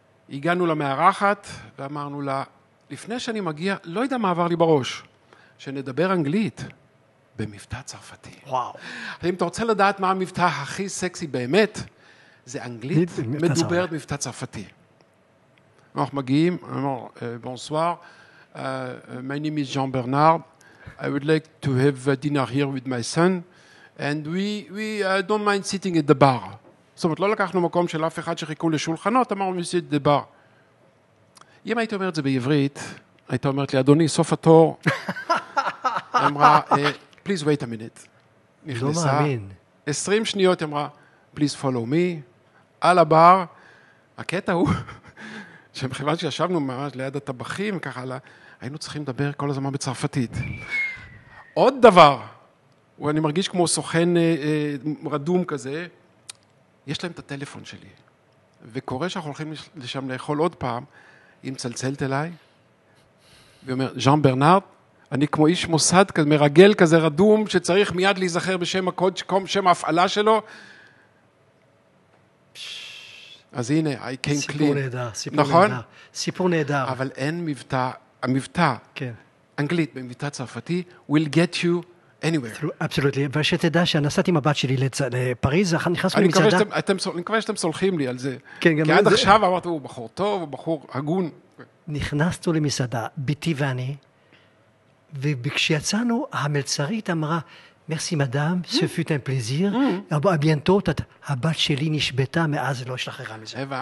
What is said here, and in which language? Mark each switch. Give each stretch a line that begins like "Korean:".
Hebrew: הגענו למערכת ואמרנו לה, לפני שאני מגיע, לא יודע מה עבר לי בראש, שנדבר אנגלית במבטא צרפתי. וואו. אם אתה רוצה לדעת מה המבטא הכי סקסי באמת, זה אנגלית מדוברת מבטא צרפתי. אנחנו מגיעים, אמר,
English: בונסואר, my name is Jean Bernard, I would like to have dinner here with my son, and we don't mind sitting at the bar.
Hebrew: זאת אומרת, לא לקחנו מקום של אף אחד שחיכו לשולחנות, אמרו מסית דבר. אם היית אומרת זה בעברית, היית אומרת לי, אדוני, סוף התור. אמרה,
English: please wait a minute.
Hebrew: נכנסה, 20 שניות היא אמרה,
English: please follow me,
Hebrew: על הבר, הקטע הוא, שמכיוון שישבנו ממש ליד הטבחים וככה הלאה, היינו צריכים לדבר כל הזמן בצרפתית. עוד דבר, ואני מרגיש כמו סוכן רדום כזה, יש להם את הטלפון שלי, וקורה שאנחנו הולכים לשם לאכול עוד פעם, היא מצלצלת אליי, ואומר, ז'אן ברנארד, אני כמו איש מוסד כזה, מרגל כזה רדום, שצריך מיד להיזכר בשם הקוד, שם ההפעלה שלו. אז הנה,
English: I came clean.
Hebrew: סיפור נהדר, סיפור נכון? נהדר. סיפור נהדר. אבל אין מבטא, המבטא, כן. אנגלית, במבטא צרפתי,
English: will get you anywhere.
Hebrew: אבסולוטלי, ושתדע שנסעתי עם הבת שלי לפריז, אחר נכנסנו למצדה. אני מקווה שאתם סולחים לי על זה. כן, גם זה. כי עד עכשיו אמרת, הוא בחור טוב, הוא בחור הגון. נכנסנו למסעדה, ביתי ואני, וכשיצאנו, המלצרית אמרה, מרסי מדאם, ספוט אין פליזיר, הבינטות, הבת שלי נשבטה, מאז לא השלחרה מזה.